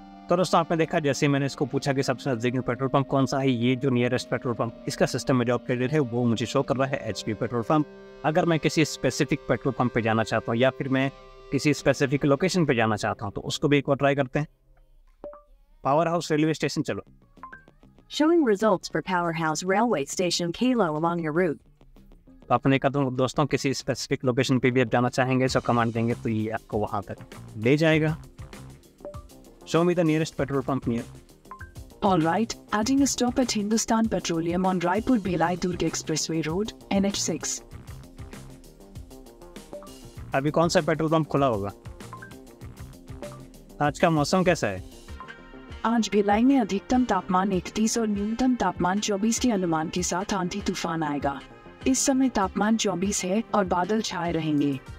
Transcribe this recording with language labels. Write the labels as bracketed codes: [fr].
[hi] तो दोस्तों आपने देखा जैसे मैंने इसको पूछा कि सबसे नजदीक पेट्रोल पंप कौन सा है, ये जो नियरेस्ट पेट्रोल पंप इसका सिस्टम में जो अपडेटेड है वो मुझे शो कर रहा है HP पेट्रोल पंप। अगर मैं किसी स्पेसिफिक पेट्रोल पंप पे जाना चाहता हूँ या फिर मैं किसी स्पेसिफिक लोकेशन पे जाना चाहता हूँ तो उसको भी एक बार ट्राई करते हैं। पावर हाउस रेलवे स्टेशन, चलो। [en] Showing results for powerhouse railway station Kalo along your route. [hi] तो आपने कहा तो दोस्तों किसी स्पेसिफिक लोकेशन पे भी आप जाना चाहेंगे सो कमांड देंगे तो ये आपको वहां तक ले जाएगा। [en] Show me the nearest petrol pump near. All right, adding a stop at Hindustan Petroleum on Raipur Bhilai Durg Expressway Road, NH6. [hi] अभी कौन सा पेट्रोल पंप खुला होगा? आज का मौसम कैसा है? आज भिलाई में अधिकतम तापमान 31 और न्यूनतम तापमान 24 के अनुमान के साथ आंधी तूफान आएगा। इस समय तापमान 24 है और बादल छाए रहेंगे।